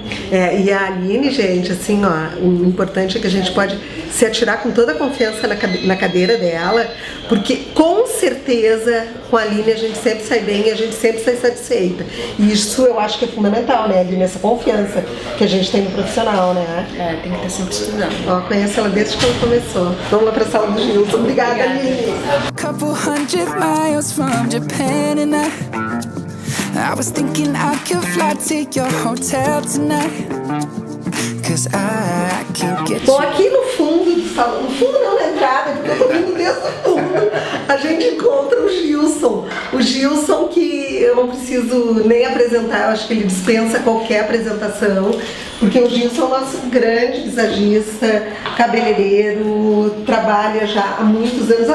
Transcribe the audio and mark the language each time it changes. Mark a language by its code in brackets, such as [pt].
[pt] É, e a Aline, gente, assim, ó, o importante é que a gente pode se atirar com toda a confiança na cadeira dela, porque com certeza com a Aline a gente sempre sai bem e a gente sempre sai satisfeita. E isso eu acho que é fundamental, né, Aline? Essa confiança que a gente tem no profissional, né? É, tem que estar sempre estudando. Ó, conheço ela desde quando começou. Vamos lá pra sala do Gilson. Obrigada, obrigada, Aline. [en] Couple hundred miles from Japan and I was thinking I could fly to your hotel tonight. Cause I can't get you. [pt] Bom, aqui no fundo do salão, no fundo não, na entrada, porque eu tô vindo desde o fundo, a gente encontra o Gilson. O Gilson, que eu não preciso nem apresentar, eu acho que ele dispensa qualquer apresentação, porque o Gilson é o nosso grande visagista, cabeleireiro, trabalha já há muitos anos.